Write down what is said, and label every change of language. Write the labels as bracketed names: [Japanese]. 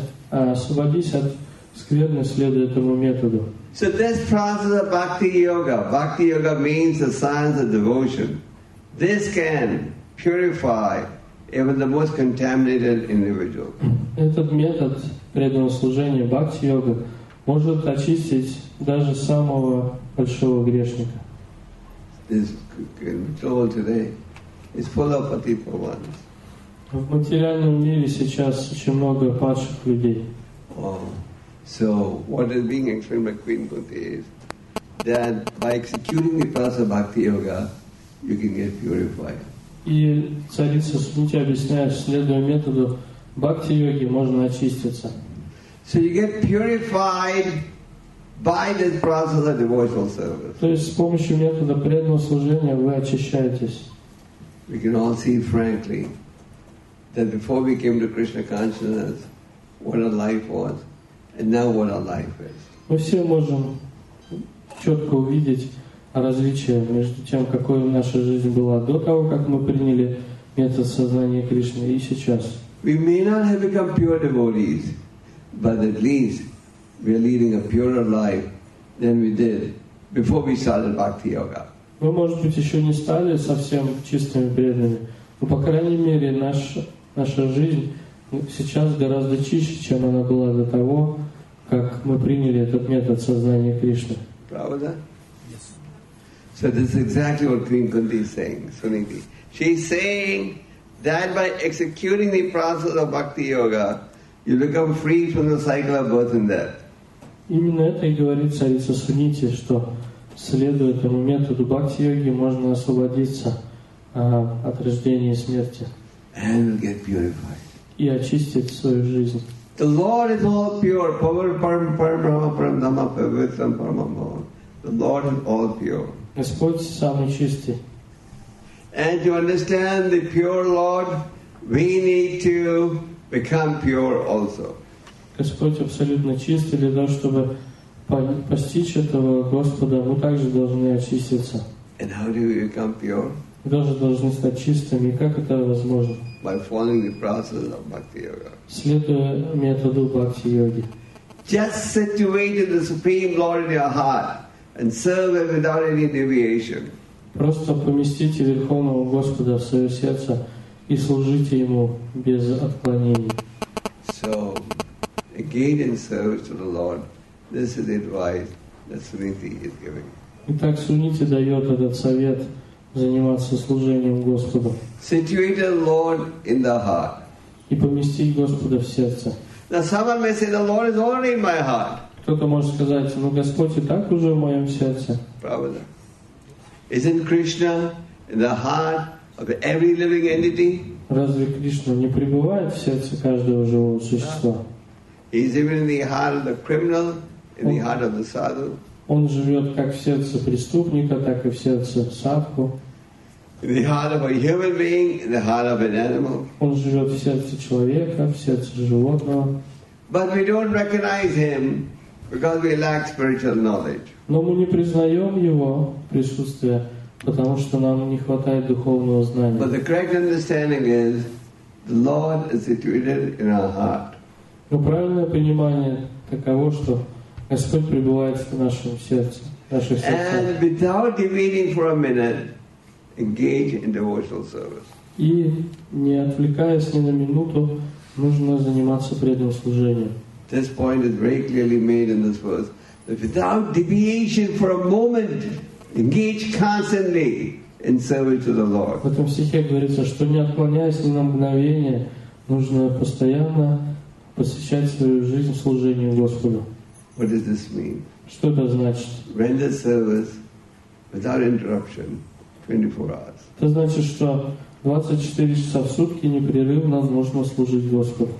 [Russian] Освободись от скверны, следуй этому методу. [English] So this process of bhakti yoga, means the science of devotion. This can purify even the most contaminated individual. [Russian] Этот метод преданного служения бхакти йога может очистить даже самого большого грешника. [English] This control today is full of patipa ones. [Russian] В материальном мире сейчас очень много падших людей. [English] So what is being explained by Queen Kunti is that by executing the process of bhakti yoga, you can get purified. [Russian] И царица Сунити объясняет, следуя методу бхакти йоги, можно очиститься. [English] So you get purified by this process of devotional service. [Russian] То есть с помощью метода преданного служения вы очищаетесь. [English] We can all see frankly that before we came to Krishna consciousness, what our life was. And now what our life is. [Russian] Мы все можем четко увидеть различие между тем, какой наша жизнь была до того, как мы приняли метод сознания Кришны, и сейчас. [English] We may not have become pure devotees, but at least we are leading a purer life than we did before we started bhakti yoga. [Russian] Мы, может быть, еще не стали совсем чистыми преданными, но по крайней мере наша жизнь сейчас гораздо чище, чем она была до того, как мы приняли этот метод сознания Кришны. Правда? [English] Yes. So this is exactly what Queen Kunti is saying, Suniti. She's saying that by executing the process of bhakti yoga, you become free from the cycle of birth and death. [Russian] Именно это и говорит царица Сунити, что следуя этому методу бхакти йоги, можно освободиться от рождения и смерти. [English] And we'll get purified. [Russian] И очистит свою жизнь. [English] The Lord is all pure. [Sanskrit] Power, Param, Param, Rama, Param, Dhamma, Pavitram, Paramam, Bhavan. [English] The Lord is all pure. [Russian] Господь самый чистый. [English] And to understand the pure Lord, we need to become pure also. [Russian] Господь абсолютно чистый. Для того, чтобы постичь этого Господа, мы также должны очиститься. [English] And how do we become pure? [Russian] Мы тоже должны стать чистыми. Как это возможно? [English] By following the process of bhakti yoga. [Russian] Следуя методу бхакти йоги. [English] Just situate the Supreme Lord in your heart and serve Him without any deviation. [Russian] Просто поместите Верховного Господа в свое сердце и служите ему без отклонений. [English] So, again in service to the Lord, this is the advice that Suniti is giving. [Russian] Итак, Сунити дает этот совет заниматься служением Господу. [English] Situate the Lord in the heart. [Russian] И поместить Господа в сердце. [English] Now someone may say, the Lord is already in my heart. [Russian] Кто-то может сказать, ну Господь и так уже в моем сердце. Правда. [English] Isn't Krishna in the heart of every living entity? [Russian] Разве Кришна не пребывает в сердце каждого живого существа? [English] He is even in the heart of the criminal, in the heart of the sadhu. [Russian] Он живет как в сердце преступника, так и в сердце садху. [English] In the heart of a human being, in the heart of an animal. [Russian] Он живет в сердце человека, в сердце животного. [English] But we don't recognize him because we lack spiritual knowledge. [Russian] Но мы не признаем его присутствие, потому что нам не хватает духовного знания. [English] But the correct understanding is the Lord is situated in our heart. [Russian] Но правильное понимание таково, что Господь пребывает в нашем сердце, в наших сердцах. [English] And without deviating for a minute, engage in devotional service. [Russian] И не отвлекаясь ни на минуту, нужно заниматься преданным служением. [English] This point is very clearly made in this verse. That without deviation for a moment, engage constantly in service to the Lord. [Russian] В этом стихе говорится, что не отклоняясь ни на мгновение, нужно постоянно посвящать свою жизнь служению Господу. [English] What does this mean? [Russian] Что это значит? [English] Render service without interruption, 24 hours. [Russian] Это значит, что 24 часа в сутки непрерывно нужно служить Господу.